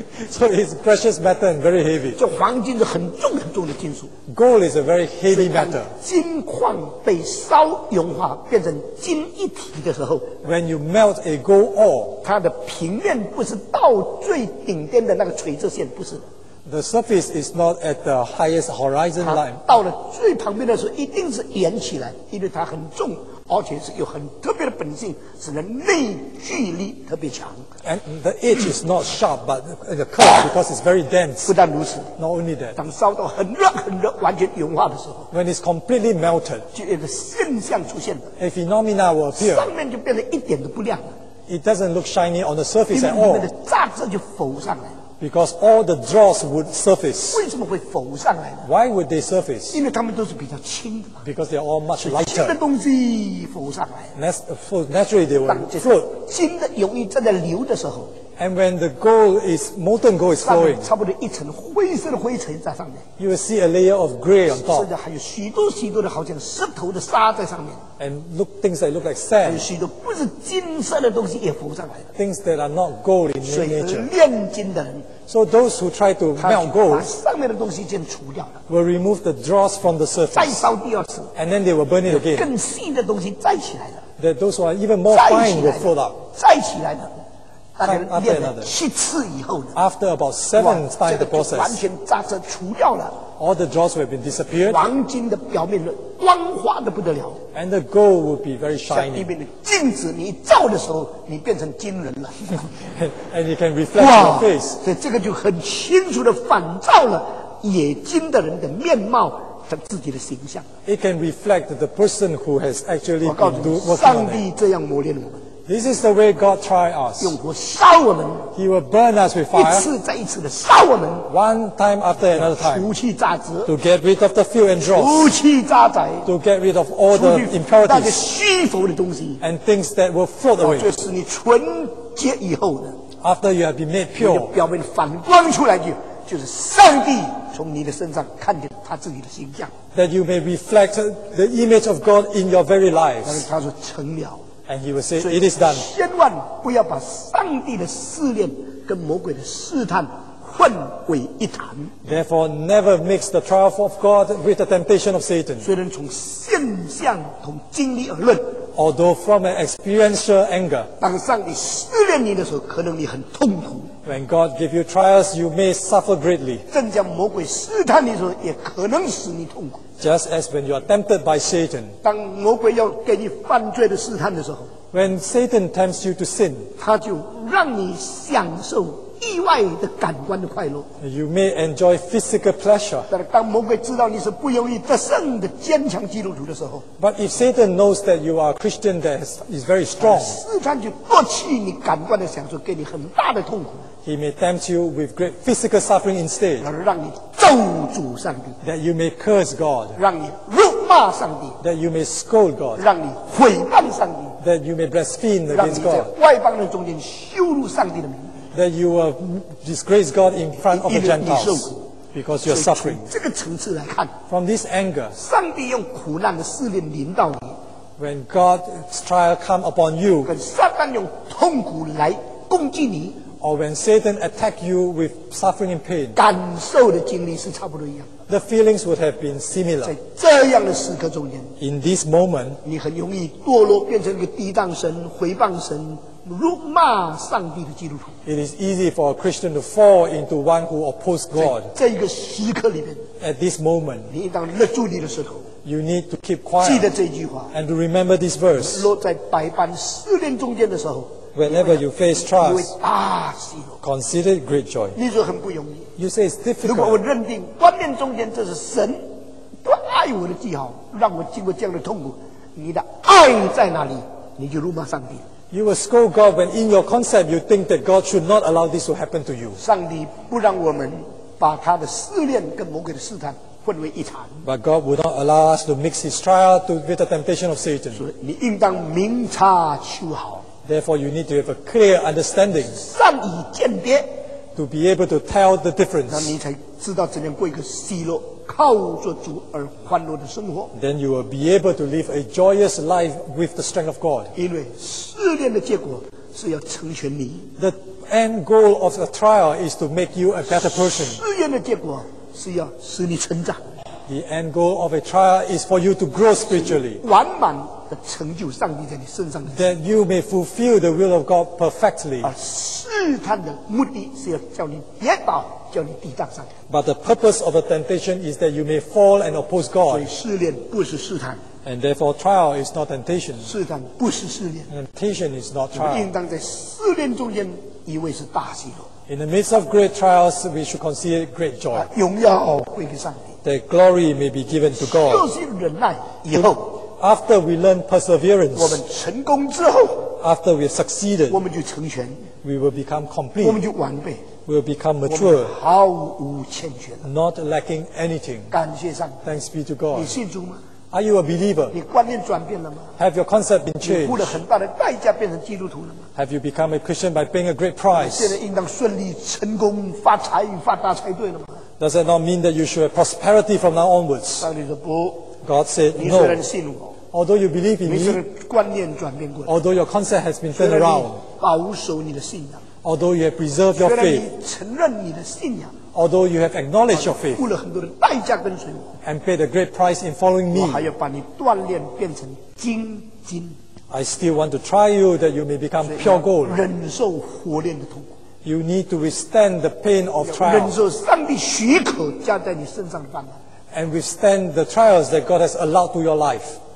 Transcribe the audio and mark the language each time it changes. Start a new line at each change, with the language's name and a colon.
English: So it's precious metal and very heavy
Chinese: 这黄金是很重很重的金属
English: Gold is a very heavy metal
Chinese: 金矿被烧融化变成金一体的时候
English: When you melt a gold ore
Chinese: 它的平面不是到最顶点的那个垂直线不是
English: The surface is not at the highest horizon line.
Chinese: 到了最旁边的时候，一定是圆起来，因为它很重，而且是有很特别的本性，使得内聚力特别强。
English: And the edge is not sharp, but the curve because it's very dense.
Chinese: 不但如此
English: ，not only that.
Chinese: 当烧到很热很热，完全融化的时候
English: ，when it's completely melted,
Chinese: 就一个现象出现了
English: ，a phenomena will appear.
Chinese: 上面就变得一点都不亮了
English: ，it doesn't look shiny on the surface at all.
Chinese: 因为里面的杂质就浮上来。
English: Because all the dross would surface.
Chinese: 为什么会浮上来呢
English: ？Why would they surface?
Chinese: 因为他们都是比较轻的。
English: Because they are all much lighter.
Chinese: 轻的东西浮上来。
English: Naturally, they will float.
Chinese: 轻的容易正在流的时候。
English: And when the gold is molten gold is flowing,
Chinese: 差不多一层灰色的灰尘在上面。
English: You will see a layer of gray on top.
Chinese: 甚至还有许多许多的好像石头的沙在上面。
English: And look things that look like sand.
Chinese: 还有许多不是金色的东西也浮上来的。
English: Things that are not gold in nature.
Chinese: 所以炼金的人。
English: So those who try to melt gold,
Chinese: 把上面的东西先除掉了
English: will remove the dross from the surface.
Chinese: 再烧第二次
English: and then they will burn it again.
Chinese: 更细的东西再起来了
English: that those who are even more fine will float up.
Chinese: 再起来了，大概练了七次以后呢
English: after about seven times the process,
Chinese: 完全杂质除掉了
English: all the dross will have been disappeared.
Chinese: 黄金的表面光滑的不得了
English: and the gold will be very shiny.
Chinese: 像一面的镜子，你照的时候，你变成金人了。
English: and you can reflect your face.
Chinese: 所以这个就很清楚的反照了冶金的人的面貌，他自己的形象。
English: It can reflect the person who has actually been working on it.
Chinese: 我告诉你，上帝这样磨练我们。
English: This is the way God tries us.
Chinese: 用火烧我们。
English: He will burn us with fire.
Chinese: 一次再一次的烧我们。
English: One time after another time.
Chinese: 除去杂质。
English: To get rid of the fuel and dross.
Chinese: 除去杂质。
English: To get rid of all the impurities.
Chinese: 除去那些虚浮的东西。
English: And things that will float away.
Chinese: 这是你纯洁以后的。
English: After you have been made pure.
Chinese: 你的表面反光出来就是上帝从你的身上看见他自己的形象。
English: That you may reflect the image of God in your very life.
Chinese: 但是他说成了。
English: And he will say, "It is done."
Chinese: 千万不要把上帝的试炼跟魔鬼的试探混为一谈。
English: Therefore, never mix the trial of God with the temptation of Satan.
Chinese: 虽然从现象、从经历而论
English: ，although from an experiential anger,
Chinese: 当上帝试炼你的时候，可能你很痛苦。
English: When God gives you trials, you may suffer greatly.
Chinese: 正像魔鬼试探你的时候，也可能使你痛苦。
English: Just as when you are tempted by Satan,
Chinese: 当魔鬼要给你犯罪的试探的时候
English: ，When Satan tempts you to sin,
Chinese: 他就让你享受意外的感官的快乐。
English: You may enjoy physical pleasure.
Chinese: 但是当魔鬼知道你是不容易得胜的坚强基督徒的时候
English: ，But if Satan knows that you are a Christian that is very strong,
Chinese: 试探就夺去你感官的享受，给你很大的痛苦。
English: He may tempt you with great physical suffering instead.
Chinese: 让你咒诅上帝。
English: That you may curse God.
Chinese: 让你辱骂上帝。
English: That you may scold God.
Chinese: 让你毁谤上帝。
English: That you may blaspheme against God.
Chinese: 让你在外邦人中间羞辱上帝的名。
English: That you will disgrace God in front of the Gentiles. Because you are suffering.
Chinese: 这个层次来看。
English: From this anger.
Chinese: 上帝用苦难的试炼临到你。
English: When God's trial come upon you.
Chinese: 跟撒旦用痛苦来攻击你。
English: Or when Satan attack you with suffering and pain,
Chinese: 感受的经历是差不多一样。
English: The feelings would have been similar.
Chinese: 在这样的时刻中间
English: ，In this moment,
Chinese: 你很容易堕落，变成一个抵挡神、毁谤神、辱骂上帝的基督徒。
English: It is easy for a Christian to fall into one who opposes God.
Chinese: 在这一个时刻里面
English: ，At this moment,
Chinese: 你应当勒住你的舌头。
English: You need to keep quiet.
Chinese: 记得这句话
English: ，And to remember this verse.
Chinese: 落在百般试炼中间的时候。
English: Whenever you face trials, consider it great joy. You say it's difficult. If I believe that this is God's sign of love for me, let me go through this pain, your love is there, you will scold God when in your concept you think that God should not allow this to happen to you. God will not allow us to mix His trial and the devil's temptation.
Chinese: 混为一谈
English: But God would not allow us to mix His trial with the temptation of Satan.
Chinese: 所以你应当明察秋毫
English: Therefore, you need to have a clear understanding.
Chinese: 善以鉴别
English: To be able to tell the difference.
Chinese: 那你才知道怎样过一个喜乐、靠着主而欢乐的生活
English: Then you will be able to live a joyous life with the strength of God.
Chinese: 因为试炼的结果是要成全你
English: The end goal of the trial is to make you a better person.
Chinese: 试炼的结果是要使你成长。
English: The end goal of a trial is for you to grow spiritually.
Chinese: 完满的成就上帝在你身上的。
English: That you may fulfill the will of God perfectly.
Chinese: 而试探的目的是要叫你跌倒，叫你抵挡上帝。
English: But the purpose of a temptation is that you may fall and oppose God.
Chinese: 所以试炼不是试探。
English: And therefore, trial is not temptation.
Chinese: 试探不是试炼。
English: Temptation is not trial.
Chinese: 我们应当在试炼中间以为是大喜乐。
English: In the midst of great trials, we should consider great joy.
Chinese: 荣耀归给上帝。
English: The glory may be given to God.
Chinese: 学习忍耐以后
English: After we learn perseverance,
Chinese: 我们成功之后
English: After we have succeeded,
Chinese: 我们就成全
English: We will become complete.
Chinese: 我们就完备
English: We will become mature.
Chinese: 我们毫无欠缺
English: Not lacking anything.
Chinese: 感谢上帝
English: Thanks be to God.
Chinese: 你信主吗？
English: Are you a believer?
Chinese: 你观念转变了吗?
English: Have your concept been changed?
Chinese: 你付了很大的代价变成基督徒了吗?
English: Have you become a Christian by paying a great price?
Chinese: 你现在应当顺利成功发财发大财对了吗?
English: Does that not mean that you should have prosperity from now onwards?
Chinese: 上帝说不。
English: God said no.
Chinese: 你虽然信我。
English: Although you believe in me.
Chinese: 你虽然观念转变过来。
English: Although your concept has been turned around.
Chinese: 虽然你保守你的信仰。
English: Although you have preserved your faith.
Chinese: 虽然你承认你的信仰。
English: Although you have acknowledged your faith
Chinese: 付了很多的代价跟随我
English: and paid a great price in following me,
Chinese: 我还要把你锻炼变成精金
English: I still want to try you that you may become pure gold.
Chinese: 忍受火炼的痛苦
English: You need to withstand the pain of trial.
Chinese: 忍受上帝许可加在你身上的患难
English: And withstand the trials that God has allowed to your life.